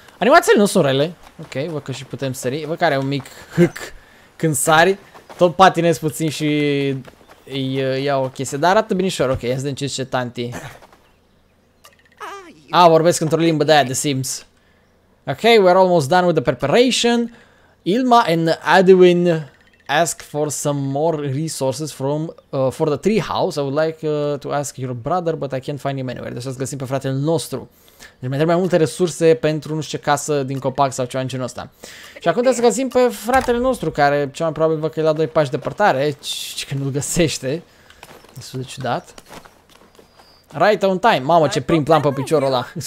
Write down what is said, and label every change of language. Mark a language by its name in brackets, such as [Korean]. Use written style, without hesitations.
[Romanian] Animațiile nu sunt rele. Ok, văd că și putem sări. Văd că are un mic hâc când sari. Tot patinezi puțin și iau o chestie. Dar arată binișor. Ok, ia să vedem ce zice tanti. Ah, vorbesc într-o limbă de aia de Sims. [English] Ok, we're almost done with the preparation. Ilma and Edwin ask for some more resources for the treehouse. I would like to ask your brother, but I can't find him anywhere. [Romanian] Deci să-ți găsim pe fratele nostru. Deci mai trebuie mai multe resurse pentru nu știu ce casă din copac sau ceva în genul ăsta. Și acum trebuie să găsim pe fratele nostru, care cel mai probabil văd că e la doi pași depărtare, și că nu-l găsește. Destul de ciudat. [English] Right on time. [Romanian] Mamă, ce prim plan pe piciorul ăla.